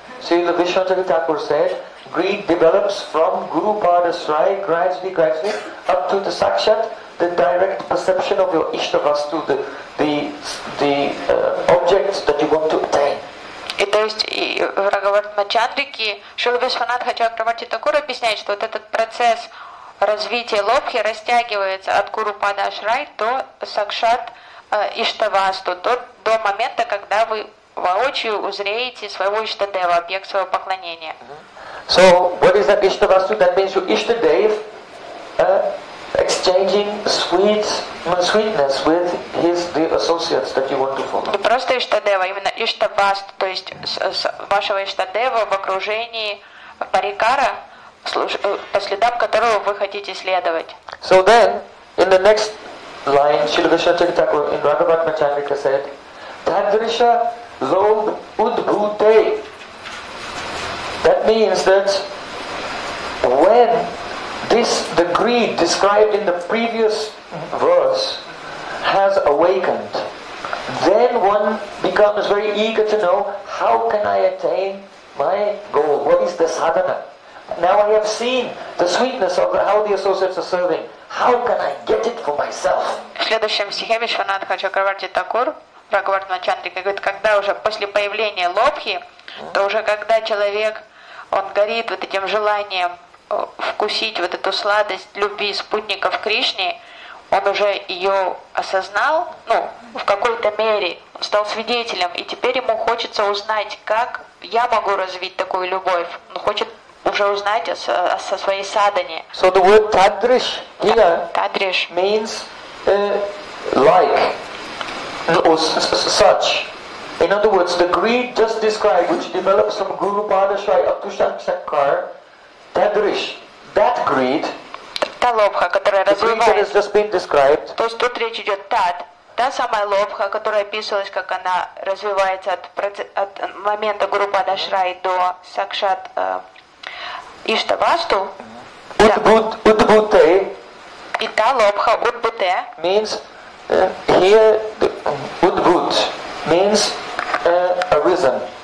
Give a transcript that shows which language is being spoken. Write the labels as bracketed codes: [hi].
[en] Srila Vishwanatha Thakur said, greed develops from Guru Pada Srai gradually up to the Sakshat, the direct perception of your Ishta Vastu, the objects that you want to attain. [ru] И то есть и в Рагаватма Чандрике Шрила Вишванатха Чакраварти Такур объясняет, что вот этот процесс развития лобхи растягивается от Гуру Пада Шрай до Сакшат Ишта Васту, до момента, когда вы воочию узреете своего Иштадева, объект своего поклонения. [en] So, what is that Ishtavastu? That means you Ishtadev exchanging sweetness with his the associates that you want to follow. [ru] Не просто Иштадева, именно Ishtavastu, то есть с вашего Иштадева в окружении парикара, по следам которого вы хотите следовать. [en] So then, in the next line, Srila Vishnu Thakur in Raghavatma Chandrika said, Tadrisha lobh udbhute. That means that when this, the greed described in the previous verse has awakened, then one becomes very eager to know, how can I attain my goal? What is the sadhana? Now I have seen the sweetness of how the associates are serving. How can I get it for myself? [ru] В следующем стихе Вишванат Хачакраварти Такур Прагварт Начандри говорит, когда уже после появления Лобхи, то уже когда человек, он горит вот этим желанием вкусить вот эту сладость любви спутников Кришны, он уже ее осознал, ну, в какой-то мере, он стал свидетелем, и теперь ему хочется узнать, как я могу развить такую любовь. Он хочет уже узнать о своей садане. [en] So the word tadrish here tadrish means like or such. In other words, the greed just described, which develops from Guru Padashai up to Shankshakar, tadrish, that greed, [ru] та лобха, которая развивается, [en] the greed that has just been described, [ru] то есть тут речь идет та самая лобха, которая описывалась, как она развивается от момента Guru Padashai до Сакшат Иштавасту, Удбутте, и та лобха, Удбутте, [en] means, here, Удбут, means, arisen.